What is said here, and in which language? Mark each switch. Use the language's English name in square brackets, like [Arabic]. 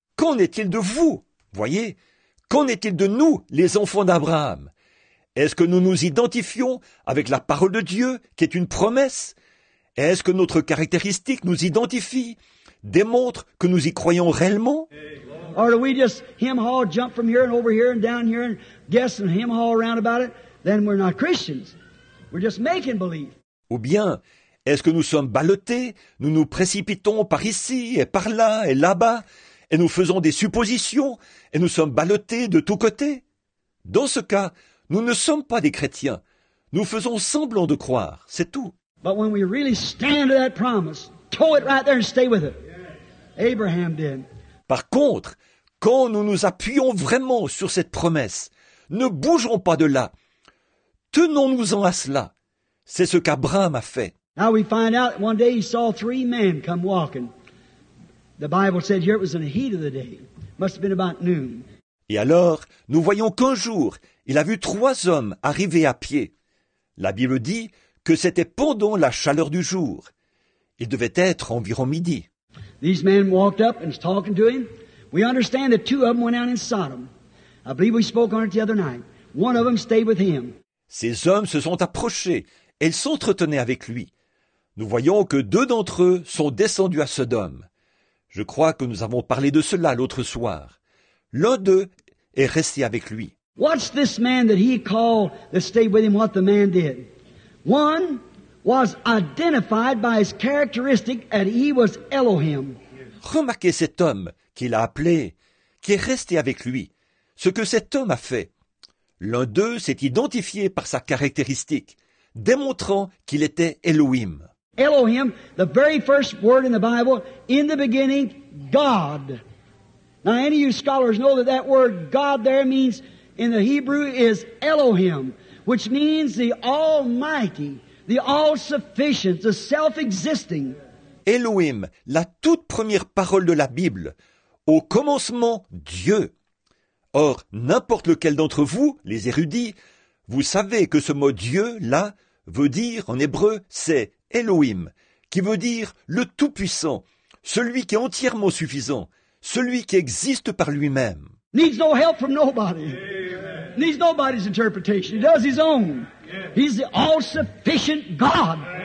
[French] Qu'en est-il de vous? Voyez, qu'en est-il de nous, les enfants d'Abraham? Est-ce que nous nous identifions avec la parole de Dieu, qui est une promesse? Est-ce que notre caractéristique nous identifie, démontre que nous y croyons réellement? [English] Or do we just hem-haw, jump from here and over here and down here and guess and hem-haw around about it? Then we're not Christians. We're just making believe. [French] Ou bien, est-ce que nous sommes ballottés, nous nous précipitons par ici et par là et là-bas, et nous faisons des suppositions, et nous sommes ballottés de tous côtés? Dans ce cas, nous ne sommes pas des chrétiens. Nous faisons semblant de croire, c'est tout. [English] But when we really stand to that promise, tow it right there and stay with it. Abraham did. [French] Par contre, quand nous nous appuyons vraiment sur cette promesse, ne bougeons pas de là. Tenons-nous-en à cela. C'est ce qu'Abraham a fait. [English] Now we find out one day he saw three men come walking. The Bible said here it was in the heat of the day. It must have been about noon. [French] Et alors, nous voyons qu'un jour, il a vu trois hommes arriver à pied. La Bible dit que c'était pendant la chaleur du jour. Il devait être environ midi. [English] These men walked up and was talking to him. We understand that two of them went out in Sodom. I believe we spoke on it the other night. One of them stayed with him. [French] Ces hommes se sont approchés et s'entretenaient avec lui. Nous voyons que deux d'entre eux sont descendus à Sodome. Je crois que nous avons parlé de cela l'autre soir. L'un d'eux est resté avec lui. [English] What's this man that he called that stayed with him, what the man did? One was identified by his characteristic that he was Elohim. [French] Remarquez cet homme qu'il a appelé, qui est resté avec lui. Ce que cet homme a fait, l'un d'eux s'est identifié par sa caractéristique, démontrant qu'il était Elohim. [English] Elohim, the very first word in the Bible, in the beginning, God. Now, any of you scholars know that that word God there means, in the Hebrew, is Elohim, which means the Almighty, the All-Sufficient, the Self-Existing. [French] Elohim, la toute première parole de la Bible, au commencement, Dieu. Or, n'importe lequel d'entre vous, les érudits, vous savez que ce mot Dieu, là, veut dire, en hébreu, c'est Elohim, qui veut dire le Tout-Puissant, celui qui est entièrement suffisant, celui qui existe par lui-même. [English] Needs no help from nobody. Needs nobody's interpretation. He does his own. He's the all-sufficient God.